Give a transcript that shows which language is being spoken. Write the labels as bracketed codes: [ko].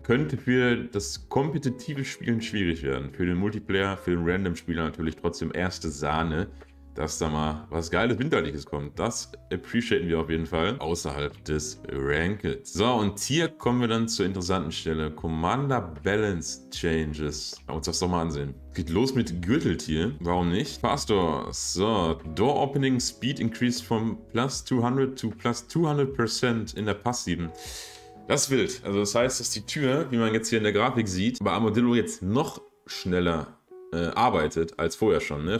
[de] Könnte für das kompetitive Spielen schwierig werden. Für den Multiplayer, für den Random-Spieler natürlich trotzdem erste Sahne. Dass da mal was Geiles Winterliches kommt. Das appreciaten wir auf jeden Fall außerhalb des Ranked. So, und hier kommen wir dann zur interessanten Stelle. [en] Commander Balance Changes. [de] Lass uns das doch mal ansehen. Geht los mit Gürteltier. Warum nicht? Pastor. So, [en] Door Opening Speed increased from plus 200 to plus 200% [de] in der Passiven. Das ist wild. Also das heißt, dass die Tür, wie man jetzt hier in der Grafik sieht, bei Armadillo jetzt noch schneller arbeitet als vorher schon. Ne?